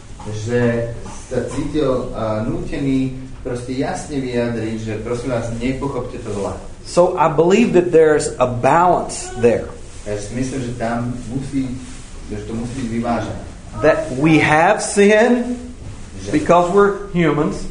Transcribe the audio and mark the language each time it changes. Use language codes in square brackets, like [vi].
[sk] Že sa cítil nútený proste jasne vyjadriť, že prosím vás, nepochopte to zle. [en] So I believe that there's a balance there. [sk] Ja si myslím, že tam musí byť vyvážené. [en] That we have sin because we're humans.